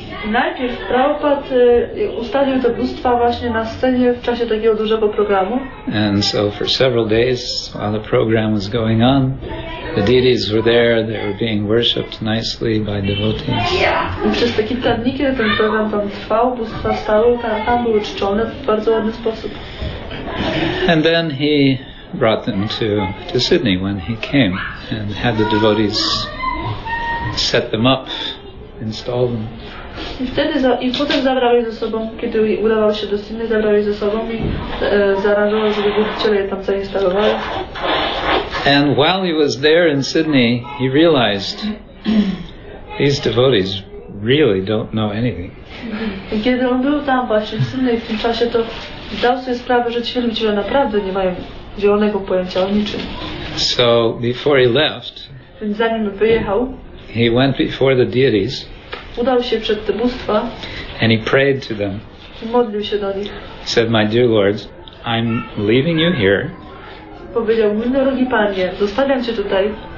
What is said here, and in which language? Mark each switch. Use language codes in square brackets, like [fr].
[pl] Najpierw Prabhupada ustawił te bóstwa właśnie na scenie w czasie takiego dużego programu. [en] And so for several days while the program was going on, the deities were there, they were being worshipped nicely by devotees. [pl] I przez te kilka dni, kiedy ten program tam trwał, bóstwa stały, tam były czczone w bardzo ładny sposób. [en] And then he brought them to Sydney when he came and had the devotees set them up, install them. [pl] I potem zabrał je ze sobą, kiedy udawał się do Sydney, zabrał je ze sobą i zaaranżował, żeby wielbiciele je tam zainstalowali. [en] And while he was there in Sydney, he realized these devotees really don't know anything. [pl] I kiedy on był tam właśnie w Sydney w tym czasie, to zdał sobie sprawę, że ci wielbiciele naprawdę nie mają zielonego pojęcia o niczym. [en] So before he left, [pl] więc zanim wyjechał, [en] he went before the deities. [pl] Udał się przed te bóstwa. [en] And he prayed to them. [pl] I modlił się do nich. [en] Said, my dear lords, I'm leaving you here. [pl] Powiedział, mój drogi panie, zostawiam cię tutaj.